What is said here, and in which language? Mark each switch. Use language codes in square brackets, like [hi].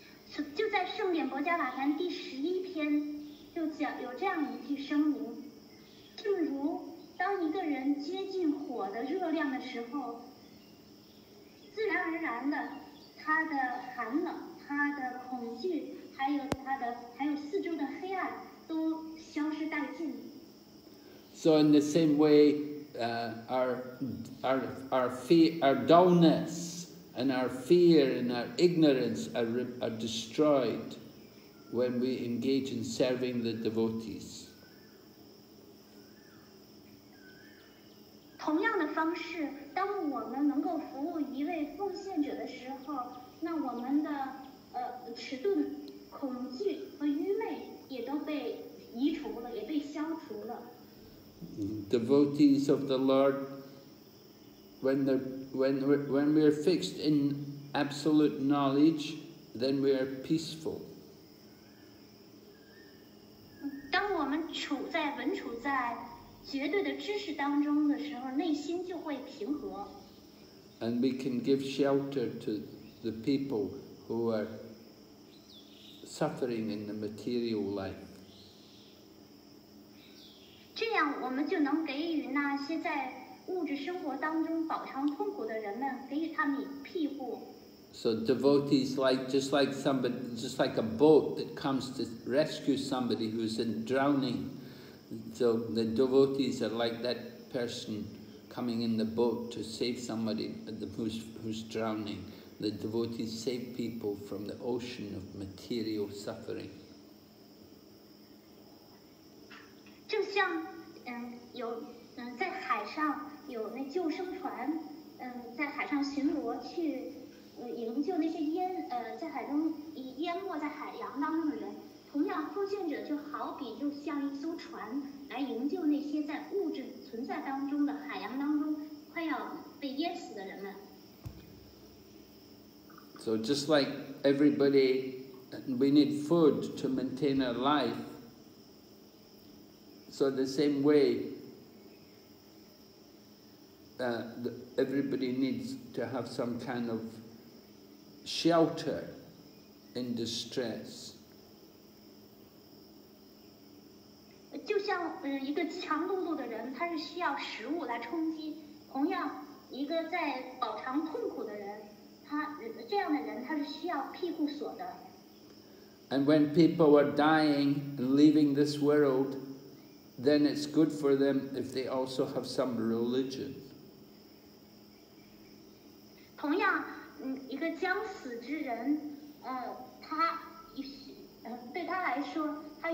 [zh] So, 就在圣典薄伽瓦坛第十一篇有这样一句声明，正如当一个人接近火的热量的时候，自然而然的，他的寒冷、他的恐惧，还有四周的黑暗都消失殆尽。 [en] So in the same way, our fear, our dullness, and our fear and our ignorance are destroyed when we engage in serving the devotees. [zh] 同样的方式，当我们能够服务一位奉献者的时候，那我们的迟钝、恐惧和愚昧也都被移除了，也被消除了。 [en] Devotees of the Lord, when we are fixed in absolute knowledge, then we are peaceful. [zh] 当我们处在稳处在。绝对的知识当中的时候，内心就会平和。 [en] And we can give shelter to the people who are suffering in the material life. [zh] 这样我们就能给予那些在物质生活当中饱尝痛苦的人们，给予他们庇护。 [en] So devotees like just like somebody, just like a boat that comes to rescue somebody who's in drowning. So the devotees are like that person coming in the boat to save somebody who's drowning. The devotees save people from the ocean of material suffering. [zh] 就像有在海上有那救生船，在海上巡逻去营救那些在海中淹没在海洋当中的人。同样，奉献者就好比就像一艘船，来营救那些在物质存在当中的海洋当中快要被淹死的人们。 [en] So just like everybody, we need food to maintain our life. So the same way, everybody needs to have some kind of shelter in distress. [zh] 就像一个强碌碌的人，他是需要食物来充饥；同样，一个在饱尝痛苦的人，他这样的人他是需要庇护所的。 [en] And when people are dying and leaving this world, then it's good for them if they also have some religion. [zh] 同样，一个将死之人，他对他来说。